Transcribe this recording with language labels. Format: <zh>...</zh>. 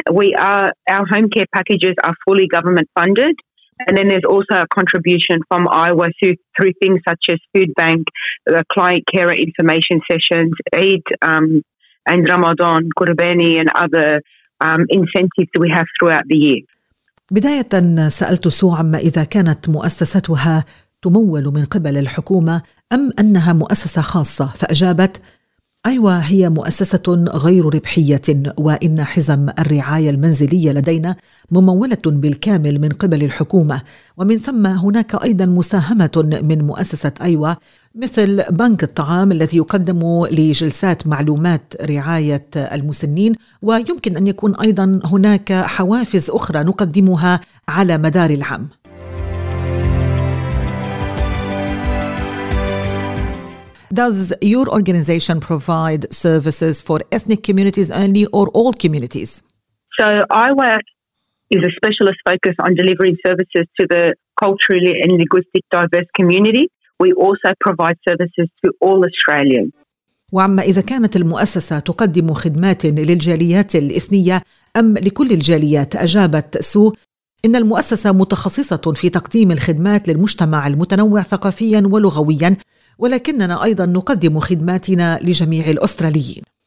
<en>Our home care packages are fully government-funded. And then there's also a contribution from IWAA through things such as food bank, the client carer information sessions, Eid and Ramadan, Qurbani and other incentives we have throughout the year.</en> <ar>بداية سألت سو عما إذا كانت مؤسستها تمول من قبل الحكومة أم أنها مؤسسة خاصة، فأجابت أيوة هي مؤسسة غير ربحية، وإن حزم الرعاية المنزلية لدينا ممولة بالكامل من قبل الحكومة، ومن ثم هناك أيضا مساهمة من مؤسسة أيوة مثل بنك الطعام الذي يقدم لجلسات معلومات رعاية المسنين، ويمكن أن يكون أيضا هناك حوافز أخرى نقدمها على مدار العام.</ar> <en>Does your organization provide services for ethnic communities only or all communities? So IWAA is a specialist focus on delivering services to the culturally and linguistic diverse community. We also provide services to all Australians.</en> <ar>وعما إذا كانت المؤسسة تقدم خدمات للجاليات الإثنية أم لكل الجاليات؟ أجابت سو إن المؤسسة متخصصة في تقديم الخدمات للمجتمع المتنوع ثقافيا ولغويا، ولكننا أيضا نقدم خدماتنا لجميع الأستراليين.</ar>